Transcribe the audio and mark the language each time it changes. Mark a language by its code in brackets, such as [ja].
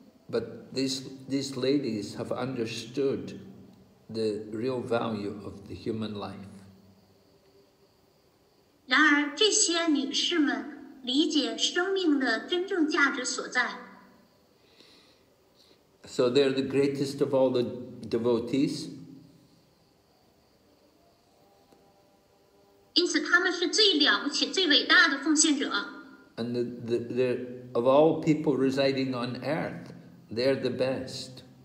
[en] But these ladies have understood the real value of the human life. [zh] 然而这些女士们 理解生命的真正价值所在。 [en] So they're the greatest of all the devotees. [zh] 因此他们是最了不起、最伟大的奉献者。 [en] And the of all people residing on earth, they're the best.